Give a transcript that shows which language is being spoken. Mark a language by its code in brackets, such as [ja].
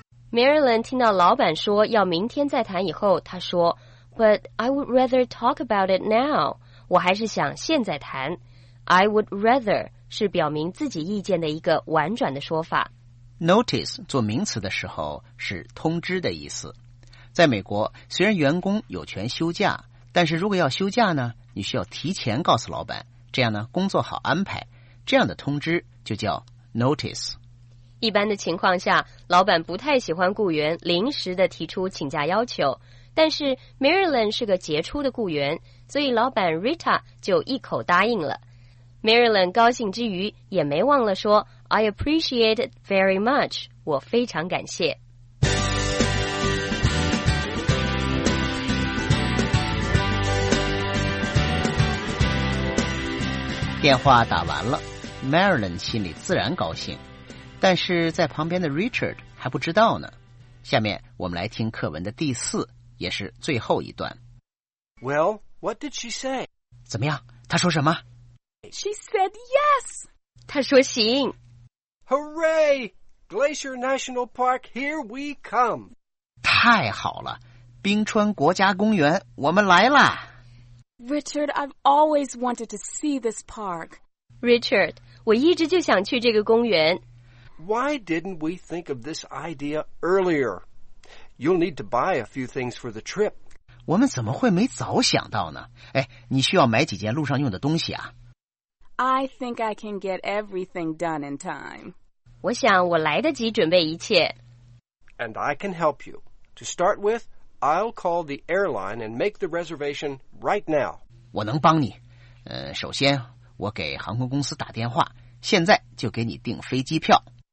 [zh] Marilyn 听到老板说要明天再谈以后，她说 But I would rather talk about it now. 我还是想现在谈。 I would rather 是表明自己意见的一个婉转的说法。 Notice 做名词的时候是通知的意思。在美国，虽然员工有权休假，但是如果要休假呢，你需要提前告诉老板，这样呢工作好安排。这样的通知就叫 Notice。一般的情况下，老板不太喜欢雇员临时的提出请假要求，但是 Marilyn 是个杰出的雇员，所以老板 Rita 就一口答应了。Marilyn 高兴之余，也没忘了说 [en] I appreciate it very much. [zh] 我非常感谢。电话打完了， Marilyn 心里自然高兴，但是在旁边的 Richard 还不知道呢。下面我们来听课文的第四也是最后一段。 [en] Well, what did she say? [zh] 怎么样，她说什么？ [en] She said yes. [zh] 她说行。 [en] Hooray! Glacier National Park, here we come. [zh] 太好了，冰川国家公园，我们来啦。 [en] Richard, I've always wanted to see this park. [zh] Richard, 我一直就想去这个公园。 [en] Why didn't we think of this idea earlier? You'll need to buy a few things for the trip. [zh] 我们怎么会没早想到呢？哎，你需要买几件路上用的东西啊。 [en] I think I can get everything done in time. [zh] 我想我来得及准备一切。 [en] And I can help you. To start with,I'll call the airline and make the reservation right now. [zh] 我能帮你。首先我给航空公司打电话，现在就给你订飞机票。